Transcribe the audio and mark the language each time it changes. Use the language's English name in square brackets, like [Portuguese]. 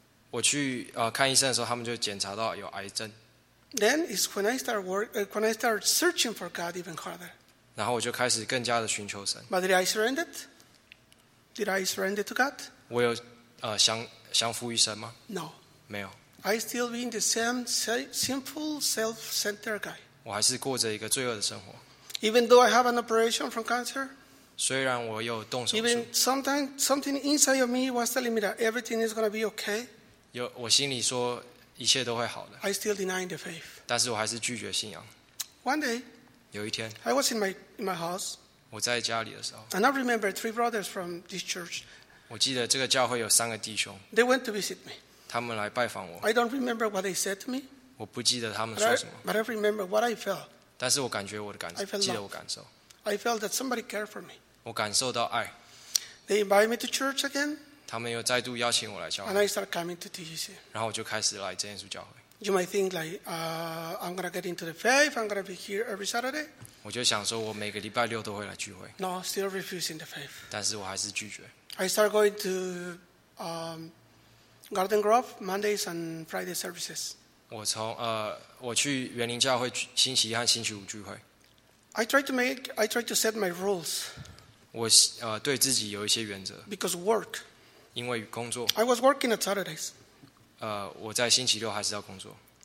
[Chinese] 我去看医生的时候，他们就检查到有癌症。 [English] Then is when I start work, when I start searching for God even harder. [Chinese] 然后我就开始更加的寻求神。 [English] But did I surrender? Did I surrender to God? [Chinese] 我有降服于神吗 [English] ？No. [Chinese] 没有。 [English] I still being the same simple self-centered guy. [Chinese] 我还是过着一个罪恶的生活。 [English] Even though I have an operation from cancer. [Chinese] 虽然我有动手术。 [English] Even sometimes something inside of me was telling me that everything is going to be okay. [Chinese] 有我心里说。一切都会好的。 [English] I still denying the faith. [Chinese] 但是我还是拒绝信仰。 [English] One day, [Chinese] 有一天 [English] ，I was in my house. [Chinese] 我在家里的时候 [English] ，And I remember three brothers from this church. [Chinese] 我记得这个教会有三个弟兄。 [English] They went to visit me. [Chinese] 他们来拜访我。 [English] I don't remember what they said to me. [Chinese] 我不记得他们说什么。 [English] But I remember what I felt. [Chinese] 但是我感觉我的感受， [English] I felt love. [Chinese] 记得我感受。 [English] I felt that somebody cared for me. [Chinese] 我感受到爱。 [English] They invited me to church again. [Chinese] 他们又再度邀请我来教会。 [English] And I started coming to TGC. [Chinese] 然后我就开始来真耶稣教会。 [English] You might think like, I'm gonna get into the faith. I'm gonna be here every Saturday. [Chinese] 我就想说，我每个礼拜六都会来聚会。 [English] No, still refusing the faith. [Chinese] 但是我还是拒绝。 [English] I started going to, Garden Grove Mondays and Friday services. [Chinese] 我从我去园林教会星期一和星期五聚会。 [English] I try to set my rules. [Chinese] 我对自己有一些原则。 [English] Because work. [Chinese] 因为工作。 [English] I was working on Saturdays. [Chinese] 我在星期六还是要工作。